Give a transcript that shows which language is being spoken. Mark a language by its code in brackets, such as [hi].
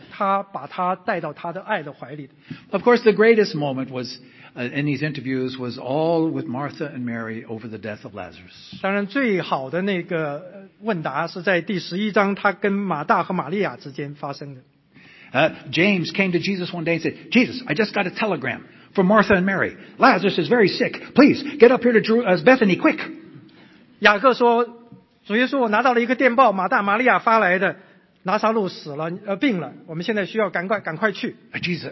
[zh] 主耶稣是我们灵魂的爱人，主耶稣是我们罪人的救主。他把他带到他的爱的怀里。 [en] Of course, the greatest moment was in these interviews was all with Martha and Mary over the death of Lazarus. [zh] 当然最好的那个 问答是在第十一章，他跟马大和玛利亚之间发生的。 [en] James came to Jesus one day and said, "Jesus, I just got a telegram from Martha and Mary. Lazarus is very sick. Please get up here to Bethany quick." [zh] 雅各说，主耶稣，我拿到了一个电报，马大、玛利亚发来的，拿撒路死了，病了，我们现在需要赶快去。Jesus,